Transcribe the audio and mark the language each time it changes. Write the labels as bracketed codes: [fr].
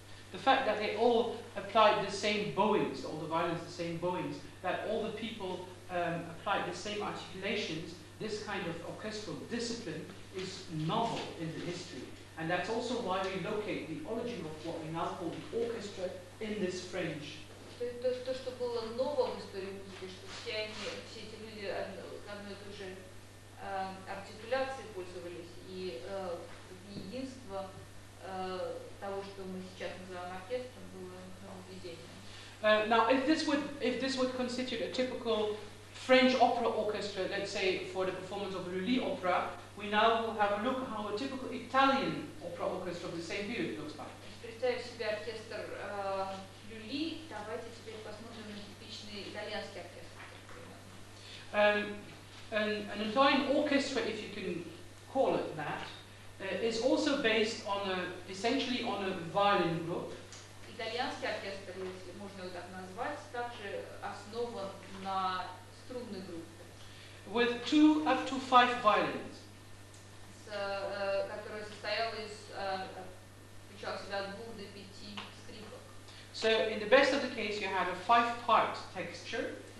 [en] The fact that they all applied the same bowings, all the violins the same bowings, that all the people applied the same articulations, this kind of orchestral discipline is novel in the history. And that's also why we locate the origin of what we now call the orchestra in this fringe. [ru] То, что было ново в истории музыки, что все эти люди одной и той же артикуляцией пользовались, и единство того, что мы сейчас называем оркестром, было нововведением. [en] Now, if this would constitute a typical French opera orchestra, let's say for the performance of Lully opera, we now will have a look how a typical Italian opera orchestra of the same period looks like. [ru] Представь себе оркестр Люли, давайте теперь посмотрим на типичный итальянский оркестр. [en] An Italian orchestra, if you can call it that, is also based on essentially on a violin group. [ru] Итальянский оркестр, если можно его так назвать, также основан на струнной группе. [en] With two up to five violins. [ru] Которая состояла из, включала в себя двух до пяти. [en] So in the best of the case, you had a five-part texture.